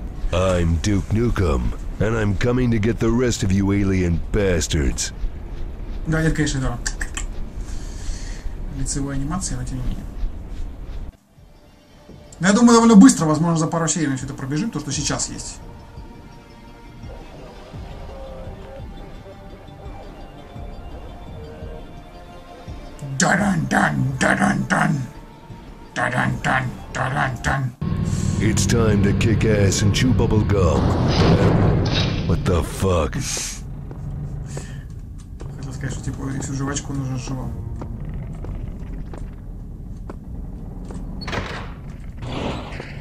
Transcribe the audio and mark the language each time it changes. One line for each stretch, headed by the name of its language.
English: I'm ДЮК НЮКЕМ, and I'm coming to get the rest of you alien bastards.
Russian: Да, нет, конечно, да. Лицевая анимация, но тем не менее. Но я думаю, довольно быстро, возможно, за пару серий мы все это пробежим, то, что сейчас есть. Да-дан-дан, да-дан-дан. Да-дан-дан, да-дан-дан.
English: It's time to kick ass and chew bubble gum. What the fuck?
Russian: Хотел сказать, что типа всю жвачку нужно жевать. Окей.